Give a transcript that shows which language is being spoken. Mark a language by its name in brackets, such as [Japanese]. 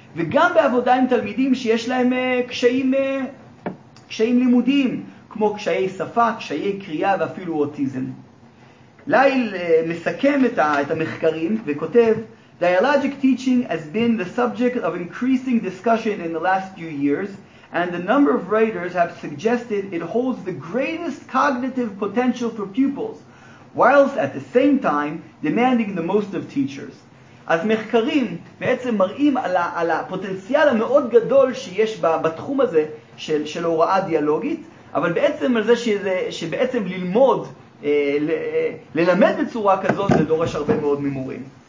[Hebrew] וגם בעבודה עם תלמידים שיש להם קשיים לימודיים, כמו קשיי שפה, קשיי קריאה ואפילו אוטיזם. ליל מסכם את המחקרים וכותב, [English] Dialogic teaching has been the subject of increasing discussion in the last few years, and the number of writers have suggested it holds the greatest cognitive potential for pupils, whilst at the same time demanding the most of teachers. [Hebrew] אז מחקרים בעצם מראים על הפוטנציאל המאוד גדול שיש בתחום הזה של הוראה דיאלוגית, אבל בעצם על זה שבעצם ללמוד, ללמד בצורה כזאת, זה דורש הרבה מאוד ממורים.